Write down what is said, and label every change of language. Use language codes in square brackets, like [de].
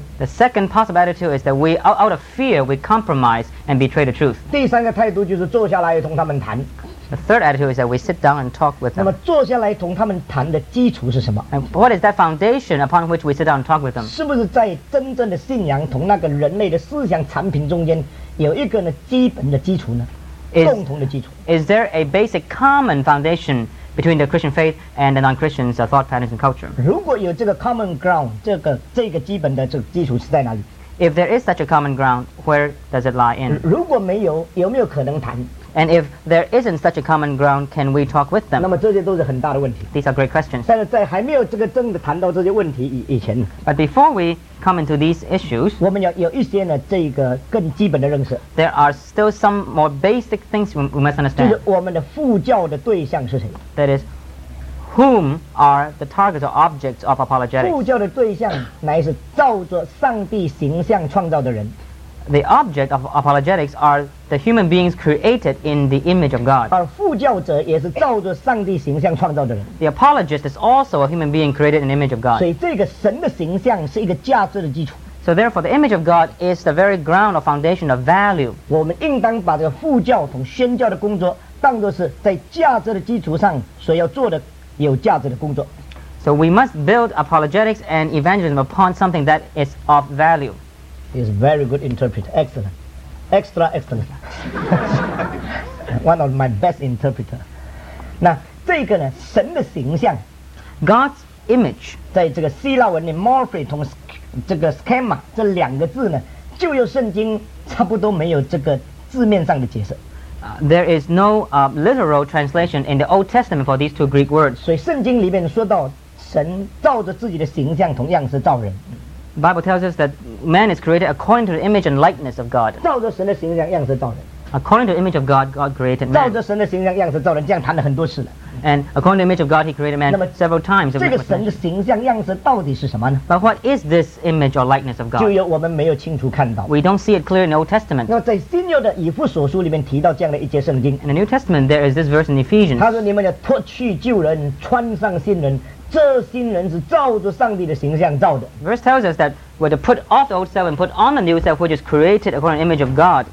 [en] The second possible attitude is that we, out of fear, we compromise and betray the truth. [zh] 第三个态度就是坐下来同他们谈。 [en] The third attitude is that we sit down and talk with them. [zh] 那么坐下来同他们谈的基础是什么？ [en] And what is that foundation upon which we sit down and talk with them? [zh] 是不是在真正的信仰同那个人类的思想产品中间有一个呢基本的基础呢？ [en] Is [zh] 共同的基础。 [en] Is there a basic common foundation between the Christian faith and the non-Christians' thought patterns and culture? [zh] 如果有这个 [en] common ground, [zh] 这个基本的这个基础是在哪里？ [en] If there is such a common ground, where does it lie in? [zh] 如果没有，有没有可能谈？ [en] And if there isn't such a common ground, can we talk with them? [zh] 那么这些都是很大的问题。 [en] These are great questions. [zh] 但是在还没有这个真的谈到这些问题以前， [en] But before we come into these issues, [zh] 我们要有一些呢这个更基本的认识。 [en] There are still some more basic things we must understand. [zh] 就是我们的父教的对象是谁？ [en] That is, whom are the targets or objects of apologetics? [zh] 父教的对象乃是照着上帝形象创造的人。 [en] The object of apologetics are the human beings created in the image of God. [zh] 而父教者也是照着上帝形象创造的人。 [en] The apologist is also a human being created in the image of God. [zh] 所以这个神的形象是一个价值的基础。 [en] So therefore, the image of God is the very ground or foundation of value. [zh] 我们应当把这个父教同宣教的工作当作是在价值的基础上所要做的有价值的工作。 [en] So we must build apologetics and evangelism upon something that is of value. He is a very good interpreter. Excellent. Extra excellent. One of my best interpreters. [zh] 那这个呢神的形象 [en] God's image. [zh] 在这个希腊文的 morphe 同这个 schema 这两个字呢旧约圣经差不多没有这个字面上的解释。 [en] There is no literal translation in the Old Testament for these two Greek words. [zh] 所以圣经里面说到神照着自己的形象同样是造人。 [en] Bible tells us that man is created according to the image and likeness of God. [zh] 照着神的形象样式造人。 [en] According to the image of God, God created man. [zh] 照着神的形象样式造人，这样谈了很多次了。 [en] And according to the image of God, he created man several times. [zh] 这个神的形象样式到底是什么呢？ [en] But what is this image or likeness of God? [zh] 就有我们没有清楚看到。 [en] We don't see it clear in the Old Testament. [zh] 那在新约的以弗所书里面提到这样的一节圣经。 [en] In the New Testament, there is this verse in Ephesians. [zh] 他说你们要脱去旧人，穿上新人，这新人是照着上帝的形象造的。 [en] Verse tells us that we're to put off the old self and put on the new self, which is created according to the image of God.